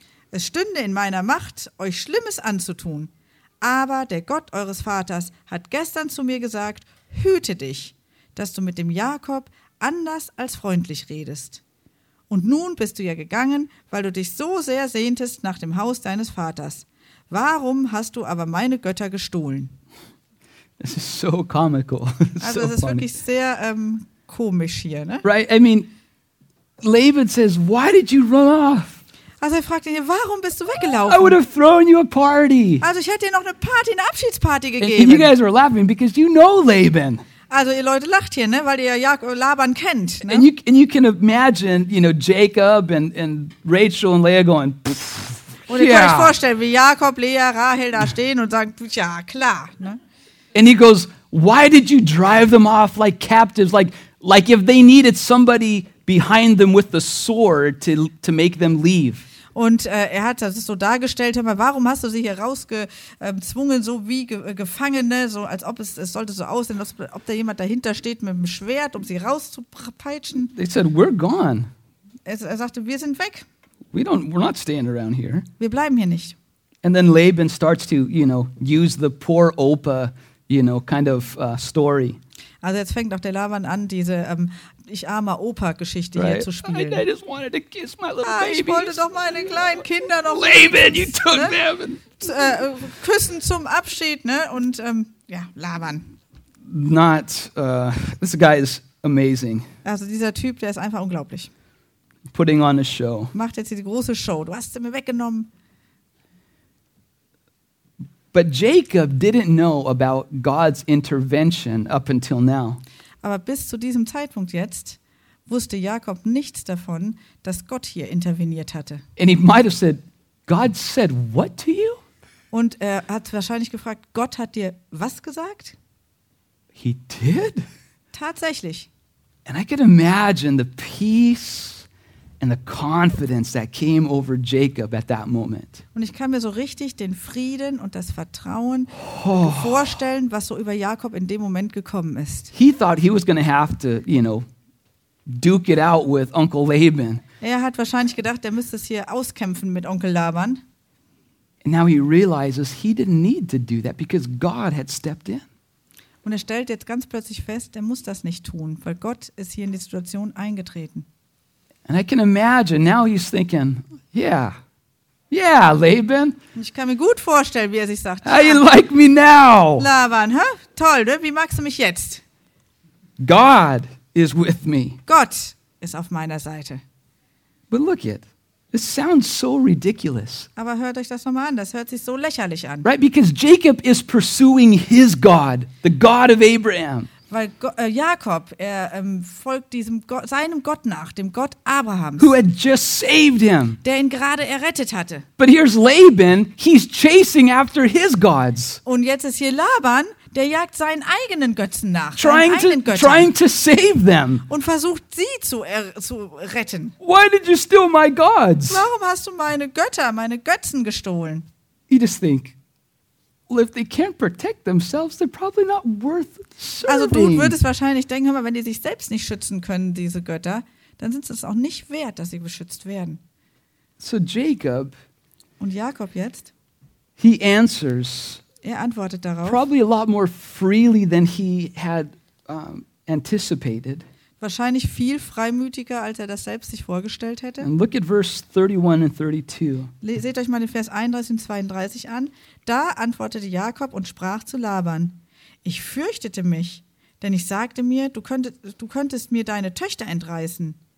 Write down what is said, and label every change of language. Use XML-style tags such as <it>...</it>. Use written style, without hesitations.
<de>Es stünde in meiner Macht, euch Schlimmes anzutun. Aber der Gott eures Vaters hat gestern zu mir gesagt, hüte dich, dass du mit dem Jakob anders als freundlich redest. Und nun bist du ja gegangen, weil du dich so sehr sehntest nach dem Haus deines Vaters. Warum hast du aber meine Götter gestohlen? Das ist so</de> <en>comical.</en> <de>Also es ist wirklich sehr komisch hier, ne?</de> <en>Right, I mean, Laban says, why did you run off?</en> <de>Also er fragt ihn, warum bist du weggelaufen?</de> <en>I would have thrown you a party.</en> <de>Also ich hätte dir noch eine Party, eine Abschiedsparty gegeben.</de> <en>And you guys are laughing because you know Laban.</en> <de>Also ihr Leute lacht hier, ne, weil ihr ja labern kennt, ne?</de> <en>And you can imagine, you know, Jacob and Rachel and Leah going.</en> <de>Und ihr könnt euch vorstellen, wie Jakob, Leah, Rahel da stehen und sagen, ja, klar, ne?</de> <en>And he goes, "Why did you drive them off like captives? Like if they needed somebody behind them with the sword to make them leave."</en> <de>Und er hat das so dargestellt, hör mal, warum hast du sie hier rausgezwungen, so wie Gefangene, so als ob es sollte so aussehen, als ob da jemand dahinter steht mit dem Schwert, um sie rauszupeitschen.</de> <en>They said, "We're gone."</en> <de>Er sagte, wir sind weg.</de> <en>We're not staying around here.</en> <de>Wir bleiben hier nicht.</de> <en>And then Laban starts to, you know, use the poor Opa, you know, kind of story.</en> <de>Also jetzt fängt auch der Laban an, diese ich armer Opa-Geschichte right. hier zu spielen.</de> <en>I just wanted to kiss my little babies.</en> <de>Ich wollte doch meine kleinen Kinder noch</de> <en>Laban, you took ne? them.</en> <de>Küssen zum Abschied, ne? Und ja, Laban.</de> <en>Not, this guy is amazing.</en> <de>Also dieser Typ, der ist einfach unglaublich.</de> <en>Putting on a show.</en> <de>Macht jetzt die große Show. Du hast sie mir weggenommen.</de> <en>But Jacob didn't know about God's intervention up until now.</en> <de>Aber bis zu diesem Zeitpunkt jetzt wusste Jakob nichts davon, dass Gott hier interveniert hatte.</de> <en>And he might have said, "God said what to you?"</en> <de>Und er hat wahrscheinlich gefragt, Gott hat dir was gesagt?</de> <en>He did?</en> <de>Tatsächlich.</de> <en>And I could imagine the peace and the confidence that came over Jacob at that moment.</en> <de>Und ich kann mir so richtig den Frieden und das Vertrauen vorstellen, was so über Jakob in dem Moment gekommen ist.</de> <en>He thought he was going to have to, you know, duke it out with Uncle Laban.</en> <de>Er hat wahrscheinlich gedacht, er müsste es hier auskämpfen mit Onkel Laban.</de> <en>And now he realizes he didn't need to do that because God had stepped in.</en> <de>Und er stellt jetzt ganz plötzlich fest, er muss das nicht tun, weil Gott ist hier in die Situation eingetreten.</de> <en>And I can imagine now he's thinking, yeah, Laban.</en> <de>Ich kann mir gut vorstellen, wie er sich sagt.</de> <en>How you like me now?</en> <de>Laban, hä? Toll, ne? Wie magst du mich jetzt?</de> <en>God is with me.</en> <de>Gott ist auf meiner Seite.</de> <en>But look it. This sounds so ridiculous.</en> <de>Aber hört euch das nochmal an. Das hört sich so lächerlich an.</de> <en>Right, because Jacob is pursuing his God, the God of Abraham.</en> <de>Weil Jakob, er folgt diesem Gott, seinem Gott nach, dem Gott Abrahams,</de> <en>who had just saved him.</en> <de>Der ihn gerade errettet hatte.</de> <en>But here's Laban, he's chasing after his gods.</en> <de>Und jetzt ist hier Laban, der jagt seinen eigenen Götzen nach,</de> <en>trying to save them.</en> <de>Und versucht sie zu retten.</de> <en>Why did you steal my gods?</en> <de>Warum hast du meine Götter, meine Götzen gestohlen?</de> <en>You just think. Well, if they can't protect themselves, they're probably not worth serving.</en> <de>Also du würdest wahrscheinlich denken, hör mal, wenn die sich selbst nicht schützen können, diese Götter, dann sind es auch nicht wert, dass sie beschützt werden.</de> <en>So Jacob.</en> <de>Und Jakob jetzt?</de> <en>He answers.</en> <de>Er antwortet darauf.</de> <en>Probably a lot more freely than he had anticipated.</en> <de>Wahrscheinlich viel freimütiger, als er das selbst sich vorgestellt hätte.</de> <en>And look at verse 31 and 32.</en> <de>Seht euch mal den Vers 31 und 32 an. Da antwortete Jakob und sprach zu Laban: "Ich fürchtete mich, denn ich sagte mir, du könntest mir deine Töchter entreißen.</de>